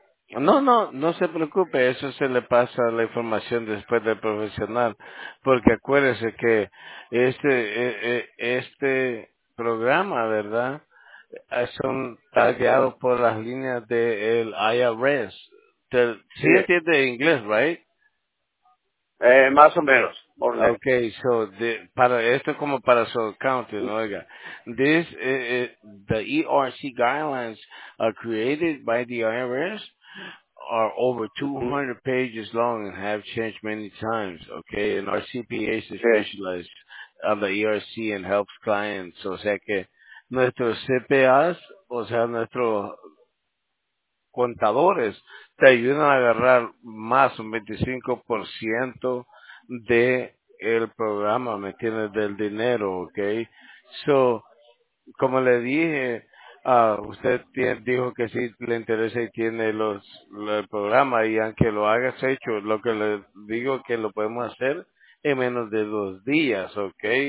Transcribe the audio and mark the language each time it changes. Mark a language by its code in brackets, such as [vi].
[es] No se preocupe, eso se le pasa la información después del profesional, porque acuérdese que este programa, ¿verdad?, son tagueados por las líneas del IRS. ¿Sí entiende inglés, right? Más o menos. Okay, so para esto es como para su accounting, ¿no? Oiga, [en] this the ERC guidelines are created by the IRS are over 200 pages long and have changed many times. Okay, and our CPAs are specialized on the ERC and helps clients. [es] O sea que nuestros CPAs, o sea nuestros contadores, te ayudan a agarrar más un 25% de el programa, ¿me entiendes?, del dinero, ¿ok? So, como le dije, usted dijo que sí le interesa y tiene el programa, y aunque lo hagas hecho, lo que le digo es que lo podemos hacer en menos de 2 días, ¿ok?